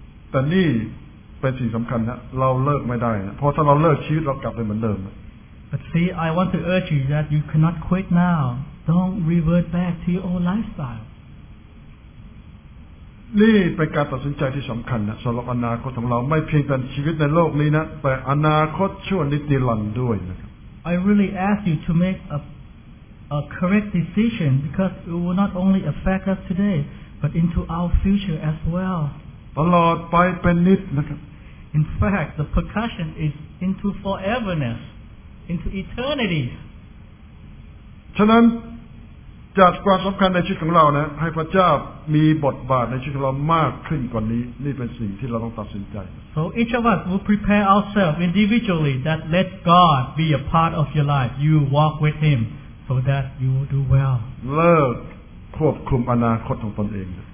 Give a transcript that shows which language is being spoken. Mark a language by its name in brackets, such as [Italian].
[Thai] แต่นี่เป็นสิ่งสำคัญนะเราเลิกไม่ได้นะพอถ้าเราเลิกชีวิตเรากลับไปเหมือนเดิม [English] But see I want to urge you that you cannot quit now don't revert back to your old lifestyle [Thai] นี่เป็นการตัดสินใจที่สำคัญนะสำหรับอนาคตของเราไม่เพียงแต่ชีวิตในโลกนี้นะแต่อนาคตชั่วนิรันดร์ด้วยนะ [English] I really ask you to make a correct decision because it will not only affect us today but into our future as well [Thai] ตลอดไปเป็นนิดนะครับ [English] In fact, the percussion is into foreverness, into eternity. [Thai] ฉะนั้นจากความสำคัญในชีวิตของเรานะให้พระเจ้ามีบทบาทในชีวิตเรามากขึ้นกว่านี้นี่เป็นสิ่งที่เราต้องตัดสินใจ [English] So each of us will prepare ourselves individually that let God be a part of your life. You walk with Him so that you will do well. [Thai] เลิกควบคุมอนาคตของตนเอง